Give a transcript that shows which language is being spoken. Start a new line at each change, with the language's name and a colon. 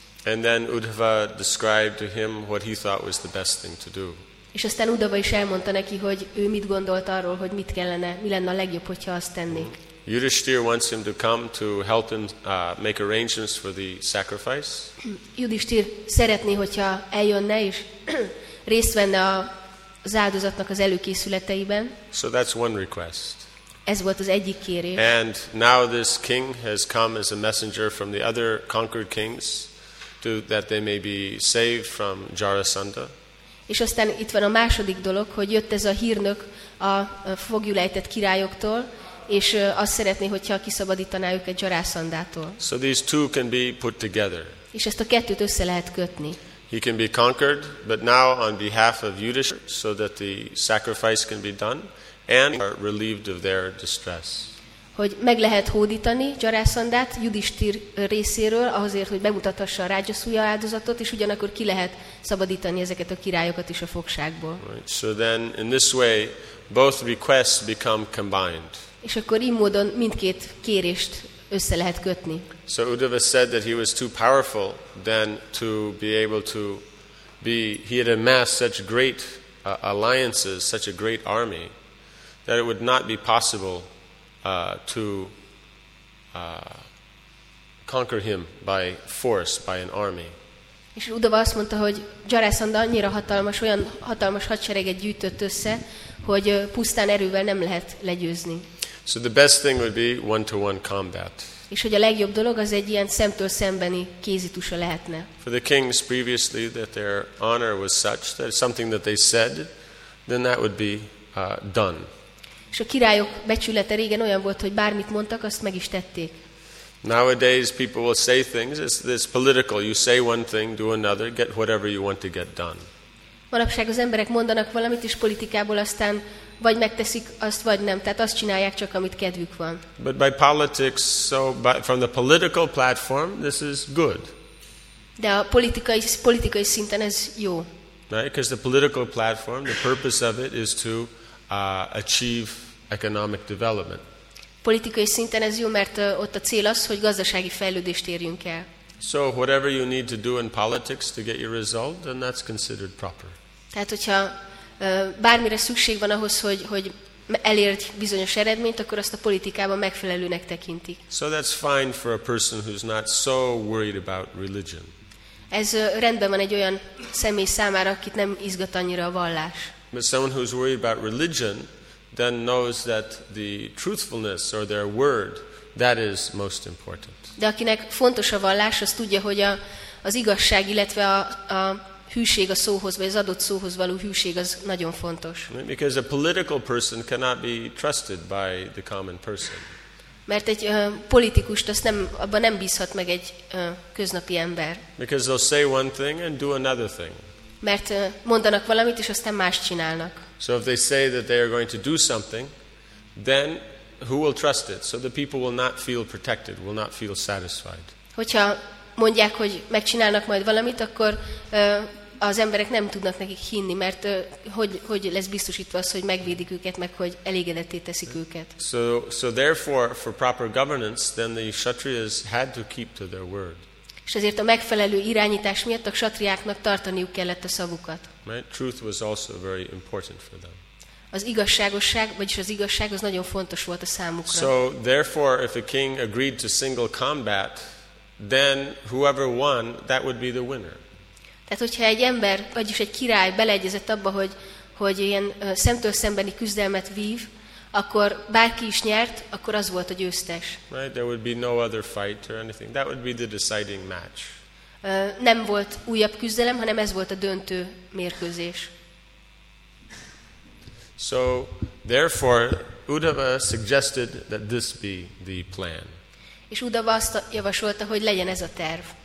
English: And then Uddhava described to him what he thought was the best thing to do.
Hungarian: És aztán Uddhava is elmondta neki, hogy ő mit gondolt arról, hogy mit kellene, mi lenne a legjobb, hogyha azt tennék.
English: Yudhishthir wants him to come to help him make arrangements for the sacrifice.
Hungarian: Yudhishthir szeretné, hogyha eljönne és részt venne az áldozatnak az előkészületeiben.
English: So that's one request.
Hungarian: Ez volt az egyik kérés.
English: And now this king has come as a messenger from the other conquered kings, that they may be saved from Jarasandha.
Hungarian: És aztán itt van a második dolog, hogy jött ez a hírnök a foglyulejtett királyoktól, és azt szeretné, hogyha kiszabadítaná őket Jarasandától.
English: So these two can be put together.
Hungarian: És ezt a kettőt össze lehet kötni.
English: He can be conquered, but now on behalf of Yudhishthira, so that the sacrifice can be done, and are relieved of their distress.
Hungarian: Hogy meg lehet hódítani Jarasandhát Yudhishthir részéről, azért, hogy bemutathassa a Rajasuya áldozatot, és ugyanakkor ki lehet szabadítani ezeket a királyokat is a fogságból.
English: Right. So then, in this way, both requests become combined.
Hungarian: És akkor így módon mindkét kérést össze lehet kötni.
English: So Uddhava said that he was too powerful then to be able to be, he had amassed such great alliances, such a great army, that it would not be possible to conquer him by force, by an army.
Hungarian: És Uddhava azt mondta, hogy Jarasandha annyira hatalmas, olyan hatalmas hadsereget gyűjtött össze, hogy pusztán erővel nem lehet legyőzni.
English: So the best thing would be one-to-one combat.
Hungarian: És hogy a legjobb dolog az egy ilyen szemtől szembeni kézitusa lehetne.
English: For the kings previously that their honor was such that something that they said, then that would be done.
Hungarian: És a királyok becsülete régen olyan volt, hogy bármit mondtak, azt meg is tették.
English: Nowadays people will say things, it's political. You say one thing, do another, get whatever you want to get done.
Hungarian: Manapság az emberek mondanak valamit is politikából, aztán vagy megteszik azt, vagy nem. Tehát azt csinálják csak, amit kedvük van.
English: But by politics, so by, from the political platform, this is good.
Hungarian: De a politikai szinten ez jó.
English: Right? Because the political platform, the purpose of it is to achieve economic development.
Hungarian: Politikai szinten ez jó, mert ott a cél az, hogy gazdasági fejlődést érjünk el.
English: So whatever you need to do in politics to get your result, then that's considered proper.
Hungarian: Tehát hogyha bármire szükség van ahhoz, hogy elérd bizonyos eredményt, akkor azt a politikában megfelelőnek tekintik.
English: So that's fine for a person who's not so worried about religion.
Hungarian: Ez rendben van egy olyan személy számára, akit nem izgat annyira a vallás.
English: But someone who's worried about religion then knows that the truthfulness or their word, that is most important.
Hungarian: De akinek fontos a vallás, az tudja, hogy az igazság, illetve a hűség a szóhoz, vagy az adott szóhoz való hűség az nagyon fontos.
English: Because a political person cannot be trusted by the common person.
Hungarian: Mert egy politikust azt nem, abban nem bízhat meg egy köznapi ember.
English: Because they'll say one thing and do another thing.
Hungarian: Mert mondanak valamit, és aztán más csinálnak.
English: So if they say that they are going to do something, then who will trust it? So the people will not feel protected, will not feel satisfied.
Hungarian: Hogyha mondják, hogy megcsinálnak majd valamit, akkor az emberek nem tudnak nekik hinni, mert hogy lesz biztosítva az, hogy megvédik őket, meg hogy elégedetté teszik őket.
English: So therefore, for proper governance, then the kshatriyas had to keep to their word.
Hungarian: És ezért a megfelelő irányítás miatt a kshatriáknak tartaniuk kellett a szavukat.
English: Right? Truth was also very important for them.
Hungarian: Az igazságosság, vagyis az igazság az nagyon fontos volt a számukra.
English: So therefore, if a king agreed to single combat, then whoever won, that would be the winner.
Hungarian: Tehát hogyha egy ember, vagyis egy király beleegyezett abba, hogy ilyen szemtől szembeni küzdelmet vív, akkor bárki is nyert, akkor az volt a győztes.
English: Right, there would be no other fight or anything. That would be the deciding match.
Hungarian: Nem volt újabb küzdelem, hanem ez volt a döntő mérkőzés.
English: So, therefore, Uddhava suggested that this be the plan.
Hungarian: És Uddhava azt javasolta, hogy legyen ez a terv.